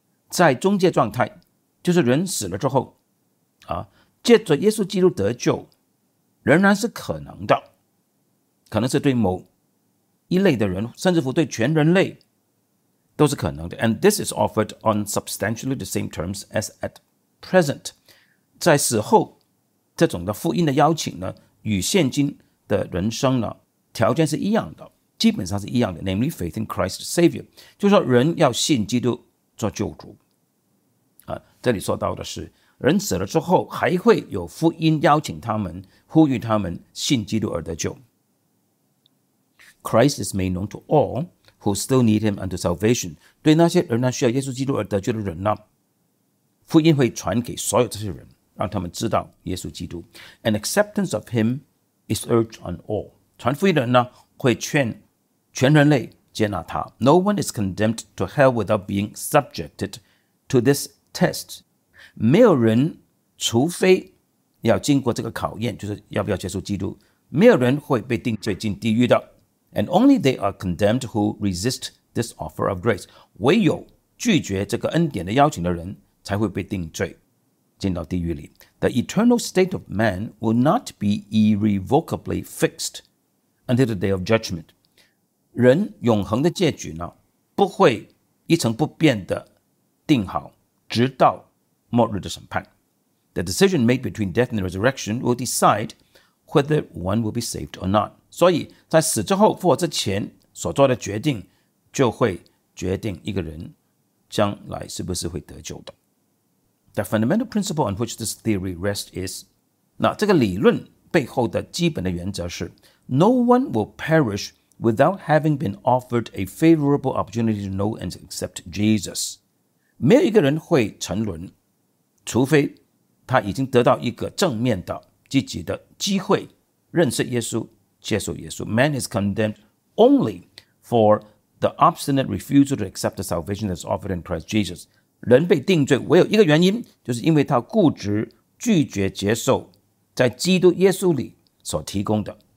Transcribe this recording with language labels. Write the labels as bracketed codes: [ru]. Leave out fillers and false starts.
[zh] 在中介状态，就是人死了之后，借着耶稣基督得救，仍然是可能的。可能是对某一类的人，甚至乎对全人类，都是可能的。 [en] And this is offered on substantially the same terms as at present. [zh] 在死后，这种的福音的邀请呢，与现今的人生呢，条件是一样的。基本上是一样的 [en] namely faith in Christ Savior [zh] 就是说人要信基督做救主这里说到的是人死了之后还会有福音邀请他们呼吁他们信基督而得救 [en] Christ is made known to all who still need him unto salvation [zh] 对那些仍然需要耶稣基督而得救的人呢福音会传给所有这些人让他们知道耶稣基督 [en] An acceptance of him is urged on all [zh] 传福音的人呢会劝全人类接纳他。 [en] No one is condemned to hell without being subjected to this test. [zh] 没有人除非要经过这个考验，就是要不要接受基督，没有人会被定罪进地狱的。 [en] And only they are condemned who resist this offer of grace. [zh] 唯有拒绝这个恩典的邀请的人才会被定罪进到地狱里。 [en] The eternal state of man will not be irrevocably fixed. Until the day of judgment, [zh] 人永恒的结局呢，不会一成不变的定好，直到末日的审判。 [en] The decision made between death and resurrection will decide whether one will be saved or not. [zh] 所以在死之后复活之前所做的决定，就会决定一个人将来是不是会得救的。 [en] The fundamental principle on which this theory rests is, [zh] 那这个理论背后的基本的原则是。 [en] No one will perish without having been offered a favorable opportunity to know and accept Jesus. [zh] 没有一个人会沉沦，除非他已经得到一个正面的、积极的机会认识耶稣、接受耶稣。 [en] Man is condemned only for the obstinate refusal to accept the salvation that's offered in Christ Jesus. [zh] 人被定罪唯有一个原因，就是因为他固执拒绝接受在基督耶稣里所提供的。